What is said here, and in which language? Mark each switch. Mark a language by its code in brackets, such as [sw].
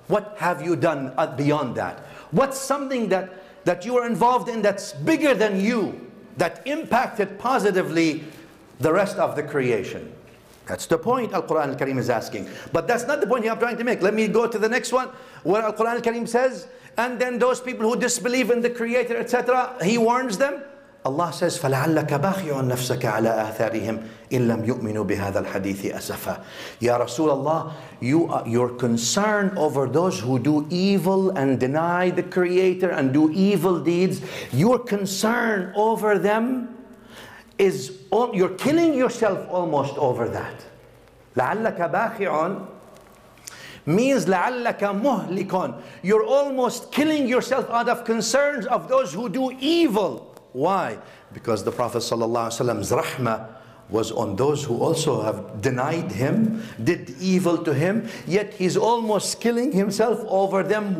[en] What have you done beyond that? What's something that you are involved in that's bigger than you, that impacted positively the rest of the creation? That's the point Al-Quran Al-Kareem is asking. But that's not the point I'm trying to make. Let me go to the next one, where Al-Quran Al-Kareem says, and then those people who disbelieve in the Creator, etc., he warns them. Allah says, [ar] فَلَعَلَّكَ بَاخِعٌ نَفْسَكَ عَلَىٰ أَثَارِهِمْ إِنْ لَمْ يُؤْمِنُوا بِهَذَا الْحَدِيثِ أَسَفًا. [en] Ya Rasulullah, you're concerned over those who do evil and deny the Creator and do evil deeds. Your concern over them is, you're killing yourself almost over that. [ar] لَعَلَّكَ بَاخِعٌ [en] means [ar] لَعَلَّكَ مُهْلِكٌ. [en] You're almost killing yourself out of concerns of those who do evil. Why? Because the Prophet ﷺ's rahmah was on those who also have denied him, did evil to him, yet he's almost killing himself over them.